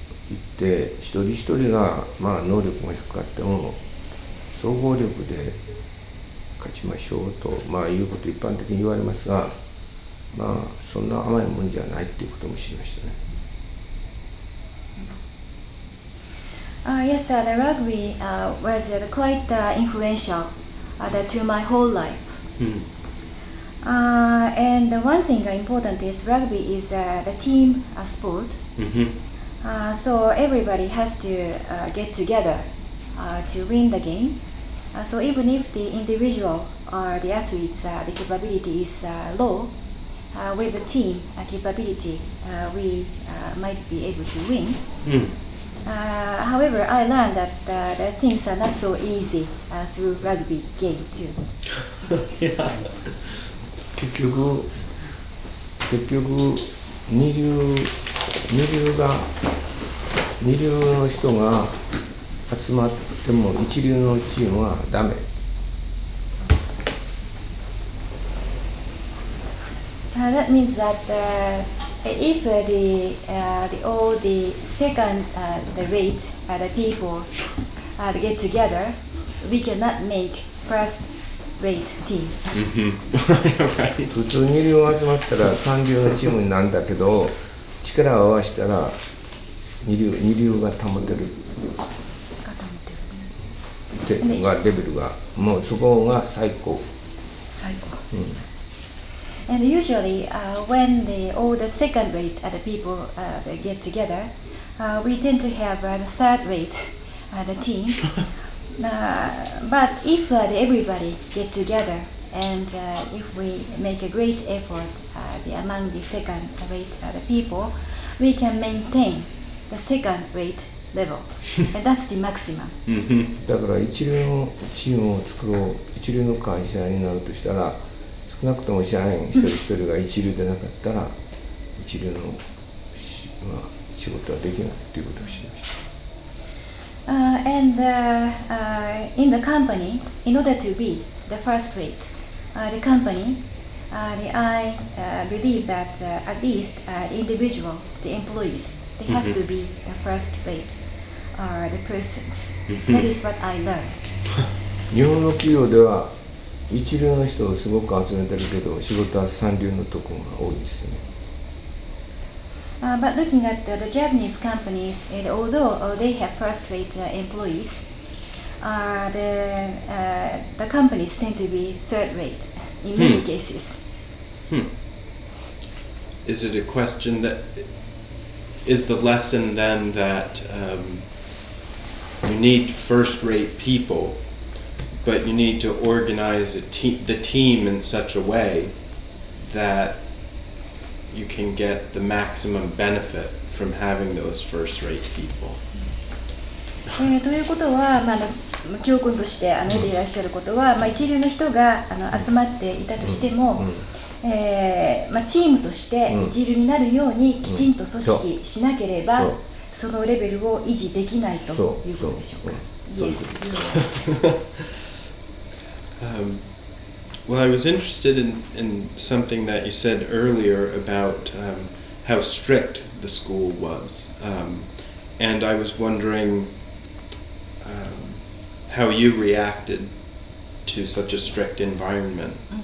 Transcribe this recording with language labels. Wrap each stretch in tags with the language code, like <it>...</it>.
<ja>言って、一人一人が能力が低かっても総合力で勝ちましょうと、いうこと一般的に言われますが、そんな甘いもんじゃないっていうことも知りましたね。</ja> <en>Yes, the rugby was quite influential to my whole life. And one thing important is rugby is the team sport. So everybody has to get together to win the game. So even if the individual or the athlete's the capability is low, with the team capability, we might be able to win. However, I learned that that things are not so easy through rugby game too.</en> <ja>結局二流の人が集まっても一流のチームはダメ。</ja> <en>That means that. If all the second the rate the people get together, we cannot make first rate team.</en> <ja>普通二流が集まったら三流のチームになるんだけど、力を合わせたら二流が保てる。が保てるね。てがレベルがもうそこが最高。最高。うん。</ja> <en>And usually, when the all the second rate the people they get together, we tend to have the third rate the team. but if everybody get together and if we make a great effort among the second rate the people, we can maintain the second rate level. And that's the maximum.</en> <ja>だから一流のチームを作ろう、一流の会社になるとしたら。少なくとも社員一人一人が一流でなかったら一流の、まあ、仕事はできないということを知りました。</ja> <en>In the company, in order to be the first rate, the company, I believe that at least the individual, the employees, they have to be the first rate, the persons. That is what I learned.</en> <ja>日本の企業では一流の人をすごく集めてるけど、仕事は三流のとこが多いんですね。</ja> <en>But looking at the Japanese companies, and although they have first-rate employees, the companies tend to be third-rate in many cases. Is it a question that is the lesson then that you need first-rate people? But you need to organize the team in such a way that you can get the maximum benefit from having those first-rate people.</en> <ja>ということは、まあ、教訓としてあのでいらっしゃることは、まあ、一流の人があの集まっていたとしても、まあ、チームとして一流になるようにきちんと組織しなければ、そのレベルを維持できないということでしょうか。</ja> <en>Yes. Well, I was interested in something that you said earlier about how strict the school was. And I was wondering how you reacted to such a strict environment.</en>